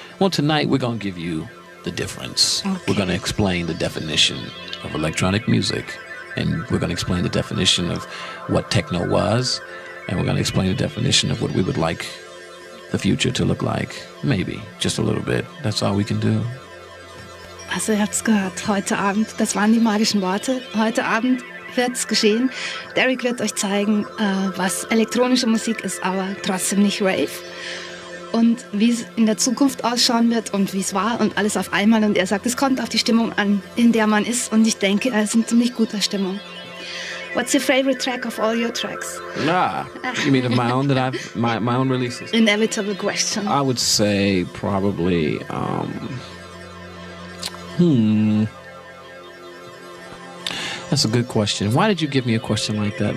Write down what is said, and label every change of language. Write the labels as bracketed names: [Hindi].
[English] Well, tonight we're going to give you the difference. Okay. We're going to explain the definition of electronic music, and we're going to explain the definition of what techno was, and we're going to explain the definition of what we would like the future to look like, maybe just a little bit. That's all we can do. [German] Also, ihr habt's gehört, heute Abend, das waren die magischen Worte, heute Abend wird's geschehen. Derek wird euch zeigen, was elektronische Musik ist, aber trotzdem nicht rave. Und wie es in der Zukunft ausschauen wird und wie es war und alles auf einmal. Und er sagt, es kommt auf die Stimmung an, in der man ist. Und ich denke, er ist in ziemlich guter Stimmung. [English] What's your favorite track of all your tracks? Ah, you mean of my own, my own releases? Inevitable question. I would say probably, That's a good question. Why did you give me a question like that?